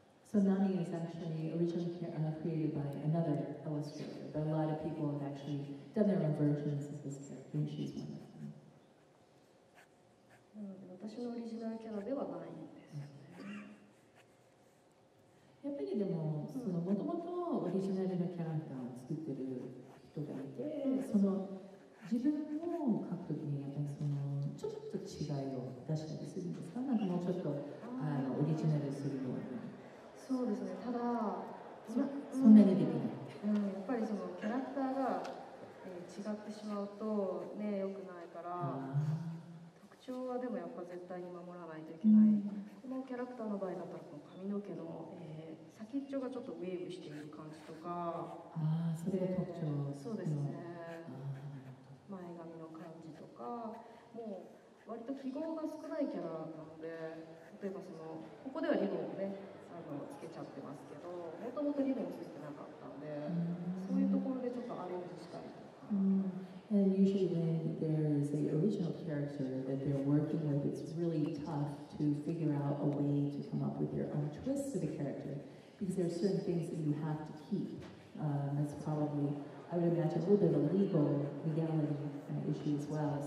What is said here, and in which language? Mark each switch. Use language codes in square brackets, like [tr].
[en] So Nami is actually originally created by another illustrator, but a lot of people have actually done their own versions of this character, and she's one of them. [ja] 私のオリジナルキャラではないんです。やっぱりでも、その元々オリジナルのキャラクターを作ってる人がいて、その自分を描くときにやっぱりそのちょっと違いを出したりするんですか？なんかもうちょっとオリジナルするような。そうですね。ただ、そんなにできない。うん、やっぱりそのキャラクターが、違ってしまうとね、良くないから。特徴はでもやっぱ絶対に守らないといけない、うん、このキャラクターの場合だったらこの髪の毛の、先っちょがちょっとウェーブしている感じとか、ああそれが特徴、そうですね、前髪の感じとか、もう割と記号が少ないキャラなので、例えばそのここではリボンをね、つけちゃってますけど、もともとリボンついてなかったんで、うん、そういうところでちょっとアレンジしたりとか、 [en] うん、And usually when there is a character that they're working with, it's really tough to figure out a way to come up with your own twist to the character, because there are certain things that you have to keep. That's probably, I would imagine, a little bit of a legal legality issue as well.